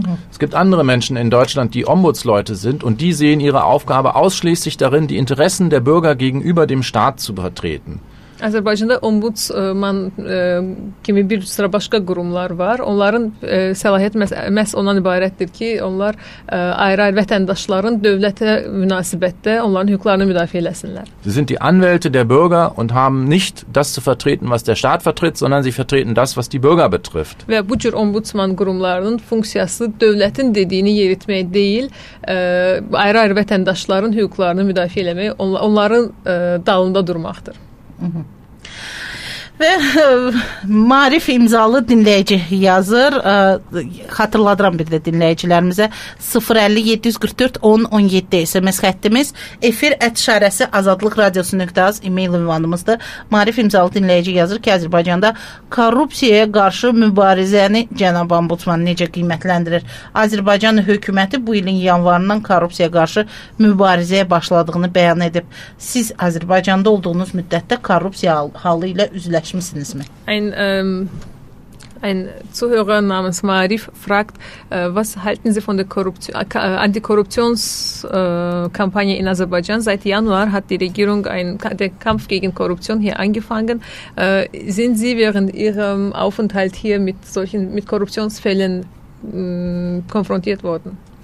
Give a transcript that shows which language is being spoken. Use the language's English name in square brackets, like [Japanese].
[German] Es gibt andere Menschen in Deutschland, die Ombudsleute sind und die sehen ihre Aufgabe ausschließlich darin, die Interessen der Bürger gegenüber dem Staat zu vertreten. [Azerbaijani] Azərbaycanda ombudsman kimi bir sıra başqa qurumlar var. Onların səlahiyyəti məhz ondan ibarətdir ki, onlar ayrı-ayrı vətəndaşların dövlətə münasibətdə onların hüquqlarını müdafiə eləsinlər. [German] Sie sind die Anwälte der Bürger und haben nicht das zu vertreten, was der Staat vertritt, sondern sie vertreten das, was die Bürger betrifft. [Azerbaijani] Və bu cür ombudsman qurumlarının funksiyası dövlətin dediyini yeritmək deyil, ayrı-ayrı vətəndaşların hüquqlarını müdafiə eləmək, onların dalında durmaqdır. Ve Marif imzalı dinleyici yazır. Hatırladıram bir de dinleyicilerimize 050-744-10-17 SMS xəttimiz efir@azadlikradiosu.az e-mail ünvanımızdır. Marif imzalı dinleyici yazır ki, Azərbaycanda korrupsiyaya qarşı mübarizəni Cənab Ombudsman necə qiymətləndirir? Azərbaycan hökuməti bu ilin yanvarından korrupsiyaya qarşı mübarizəyə başladığını bəyan edib. Siz Azərbaycanda olduğunuz müddətdə korrupsiya halı ilə üzləşmişsiniz. [German] Ein Zuhörer namens Marif fragt, was halten Sie von der Antikorruptionskampagne in Aserbaidschan? Seit Januar hat die Regierung den Kampf gegen Korruption hier angefangen. Sind Sie während Ihrem Aufenthalt hier mit Korruptionsfällen konfrontiert worden?